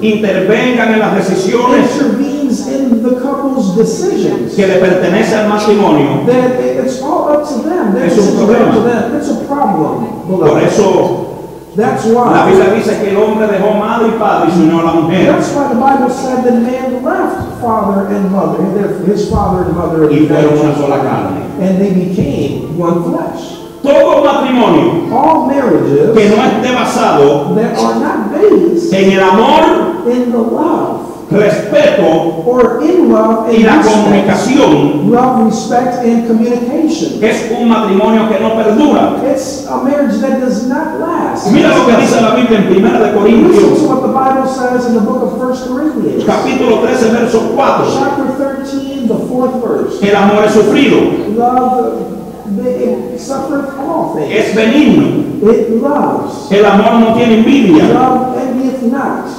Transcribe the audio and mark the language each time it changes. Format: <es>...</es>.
<es>intervengan en las decisiones,</es> <en>intervene happens in the couple's decisions.</en> <es>Que le pertenece al matrimonio.</es> <en>That it's all up to them.</en> <es>Es un problema.</es> <en>It's a problem.</en> <es>Por eso.</es> <en>That's why.</en> <es>La Biblia dice que el hombre dejó madre y padre y se unió a la mujer.</es> <en>That's why the Bible said the man left father and mother, his father and mother,</en> <es>y fueron una sola carne.</es> <en>And they became one flesh.</en> <es>Todo matrimonio,</es> <en>all marriages,</en> <es>que no esté basado,</es> <en>that are not based,</en> <es>en el amor,</es> <en>in the love,</en> <es>respeto,</es> <en>or in love and</en> <es>y la comunicación,</es> <en>love, respect, and communication,</en> <es>es un matrimonio que no perdura.</es> <en>It's a marriage that does not last.</en> <es>Y mira lo que dice la Biblia en Primera de Corintios,</es> <en>what the Bible says in the book of 1 Corinthians,</en> <es>capítulo 13, verso 4,</es> <en>chapter 13, the fourth verse,</en> <es>el amor es sufrido,</es> <en>love. It suffers all things.</en> <es>Es benigno.</es> <en>It loves.</en> <es>El amor no tiene envidia.</es> <en>Love envieth not.</en>